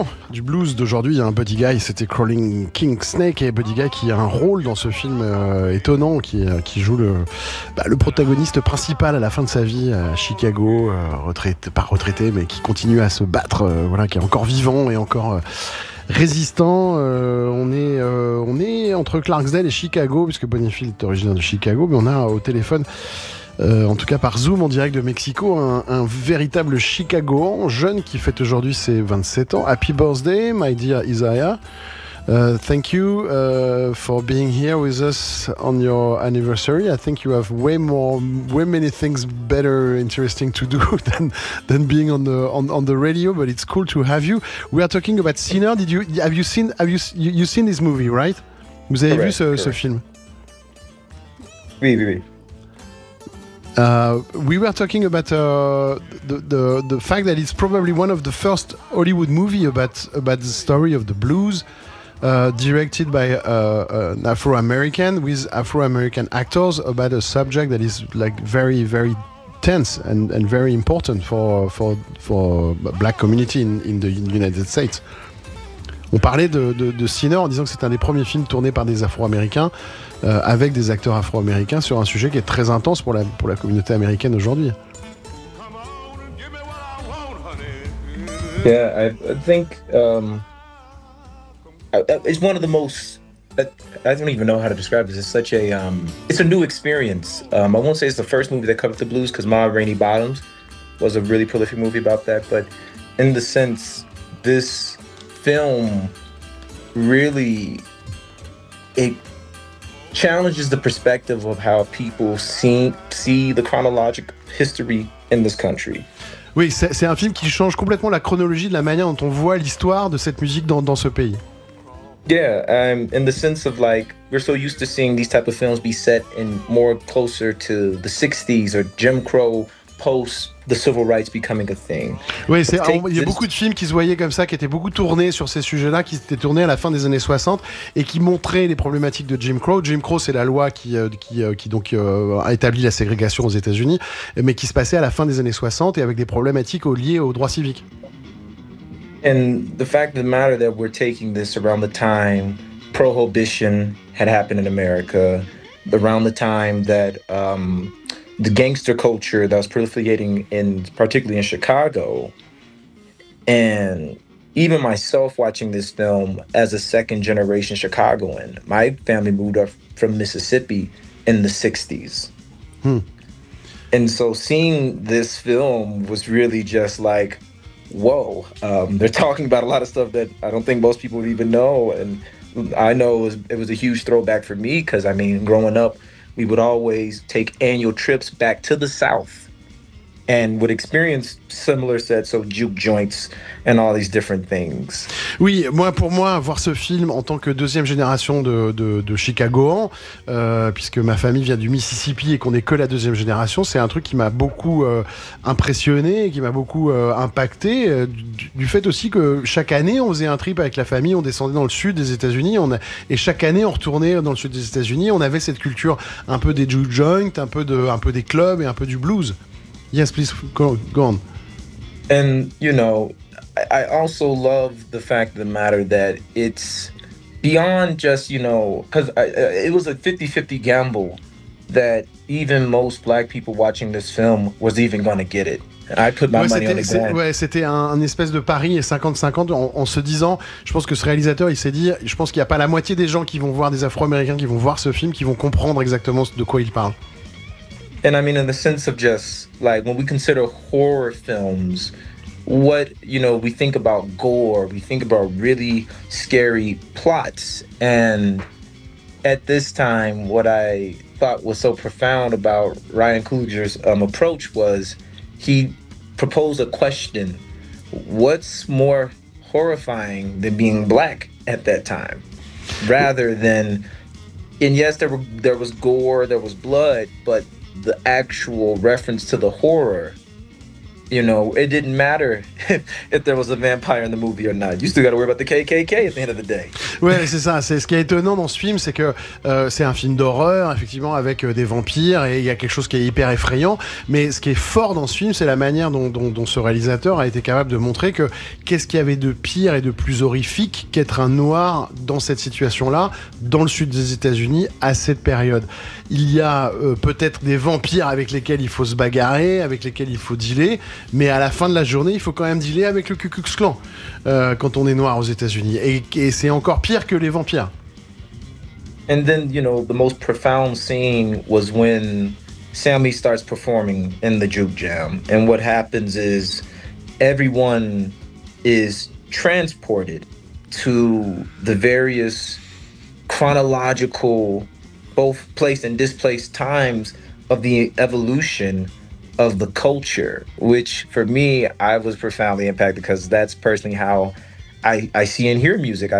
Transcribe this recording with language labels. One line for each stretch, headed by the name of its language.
French: Du blues d'aujourd'hui, il y a un Buddy Guy, c'était Crawling King Snake, et Buddy Guy qui a un rôle dans ce film étonnant, qui joue le protagoniste principal à la fin de sa vie à Chicago, pas retraité, mais qui continue à se battre, qui est encore vivant et encore résistant. On est entre Clarksdale et Chicago, puisque Bonifield est originaire de Chicago, mais on a au téléphone, en tout cas par Zoom en direct de Mexico, un véritable Chicagoan jeune qui fête aujourd'hui ses 27 ans.
English: Happy birthday, my dear Isaiah. Thank you for being here with us on your anniversary. I think you have way many things better interesting to do than being on the radio, but it's cool to have you. We are talking about Sinner. Have you seen this movie, right?
French: Vous avez correct, vu ce film? Oui.
English: We were talking about the fact that it's probably one of the first Hollywood movie about the story of the blues, directed by an Afro-American with Afro-American actors, about a subject that is like very, very tense and very important for black community in the United States.
French: On parlait de Sinner en disant que c'est un des premiers films tournés par des Afro-Américains avec des acteurs Afro-Américains sur un sujet qui est très intense pour la communauté américaine aujourd'hui.
English: Yeah, I think it's one of the most. I don't even know how to describe this. It's such a it's a new experience. I won't say it's the first movie that covered the blues because Ma Rainey Bottoms was a really prolific movie about that, but in the sense this. Film really it challenges the perspective of how people see the chronologic history in this country.
French: Oui, c'est un film qui change complètement la chronologie de la manière dont on voit l'histoire de cette musique dans ce pays.
English: Yeah, in the sense of like We're so used to seeing these type of films be set in more closer to the 60s or Jim Crow post the civil rights becoming a thing.
French: Oui, il y a beaucoup de films qui se voyaient comme ça, qui étaient beaucoup tournés sur ces sujets-là, qui étaient tournés à la fin des années 60 et qui montraient les problématiques de Jim Crow. Jim Crow, c'est la loi qui a établi la ségrégation aux États-Unis, mais qui se passait à la fin des années 60 et avec des problématiques liées aux droits civiques.
English: And the fact of the matter that we're taking this around the time Prohibition had happened in America, around the time that the gangster culture that was proliferating in, particularly in Chicago, and even myself watching this film as a second generation Chicagoan, my family moved up from Mississippi in the 60s. Hmm. And so seeing this film was really just like, whoa, they're talking about a lot of stuff that I don't think most people would even know. And I know it was a huge throwback for me because, I mean, growing up, we would always take annual trips back to the South and would experience similar sets of juke joints and all these different things.
French: Oui, moi, pour moi, voir ce film en tant que deuxième génération de Chicagoan, puisque ma famille vient du Mississippi et qu'on n'est que la deuxième génération, c'est un truc qui m'a beaucoup impressionné, qui m'a beaucoup impacté, du fait aussi que chaque année, on faisait un trip avec la famille, on descendait dans le sud des États-Unis, et chaque année, on retournait dans le sud des États-Unis, on avait cette culture un peu des juke joints, un peu des clubs et un peu du blues.
English: Yes, please, go on. And, you know, I also love the fact of the matter that it's beyond just, you know, because it was a 50-50 gamble that even most black people watching this film was even going to get it. I put my money on the ground.
French: Ouais, c'était un espèce de pari et 50-50 en se disant, je pense que ce réalisateur, il s'est dit, je pense qu'il n'y a pas la moitié des gens qui vont voir, des Afro-Américains qui vont voir ce film, qui vont comprendre exactement de quoi il parle.
English: And I mean, in the sense of just like when we consider horror films, what, you know, we think about gore, we think about really scary plots. And at this time, what I thought was so profound about Ryan Coogler's approach was he proposed a question: what's more horrifying than being black at that time? Rather than, and yes, there was gore, there was blood, but the actual reference to the horror, you know, it didn't matter if there was a vampire in the movie or not. You still got to worry about the KKK at the end of the day.
French: Ouais, c'est ça. C'est ce qui est étonnant dans ce film, c'est que c'est un film d'horreur, effectivement, avec des vampires, et il y a quelque chose qui est hyper effrayant. Mais ce qui est fort dans ce film, c'est la manière dont ce réalisateur a été capable de montrer que qu'est-ce qu'il y avait de pire et de plus horrifique qu'être un noir dans cette situation-là, dans le sud des États-Unis, à cette période. Il y a peut-être des vampires avec lesquels il faut se bagarrer, avec lesquels il faut dealer, mais à la fin de la journée, il faut quand même dealer avec le Ku Klux Klan quand on est noir aux États-Unis. Et c'est encore pire que les vampires.
English: And then, you know, the most profound scene was when Sammy starts performing in the juke jam. And what happens is everyone is transported to the various chronological, both place and displaced times of the evolution of the culture, which for me, I was profoundly impacted because that's personally how I see and hear music.